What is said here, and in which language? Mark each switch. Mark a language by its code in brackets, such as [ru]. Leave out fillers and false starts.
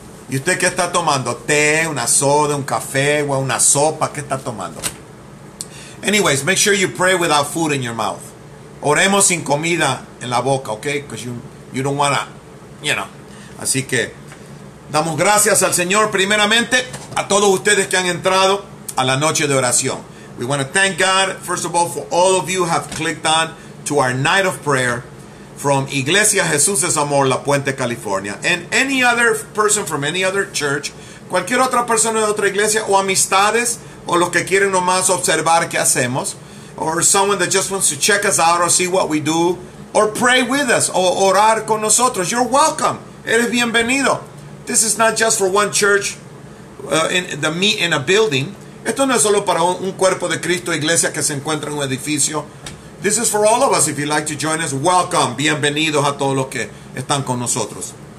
[es] ¿Y usted qué está tomando? ¿Té, una soda, un café o una sopa? ¿Qué está tomando? [en] Anyways, make sure you pray without food in your mouth. [es] Oremos sin comida en la boca, [en] okay? Because you don't want to, you know. [es] Así que damos gracias al Señor primeramente a todos ustedes que han entrado a la noche de oración. [en] We want to thank God, first of all, for all of you who have clicked on to our night of prayer from Iglesia Jesús es Amor, La Puente, California. And any other person from any other church, [es] cualquier otra persona de otra iglesia o amistades o los que quieren nomás observar qué hacemos, [en] or someone that just wants to check us out or see what we do, or pray with us, [es] o orar con nosotros. [en] You're welcome. [es] Eres bienvenido. [en] This is not just for one church in a building. [es] Esto no es solo para un cuerpo de Cristo, iglesia que se encuentra en un edificio. [en] This is for all of us. If you'd like to join us, welcome. [es] Bienvenidos a todos los que están con nosotros.